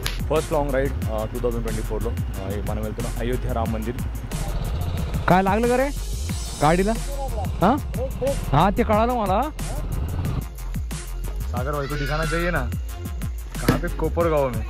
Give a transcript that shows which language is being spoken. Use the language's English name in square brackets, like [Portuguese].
[English] first long ride [Telugu] 2024 లో మనం వెళ్తున్నాం అయోధ్య రామ మందిర్ [Marathi] काय लागलं का रे गाडीला हां ते कळालं मला [Hindi] सागर भाई को ठिकाना चाहिए ना कहां पे कोपर गाव में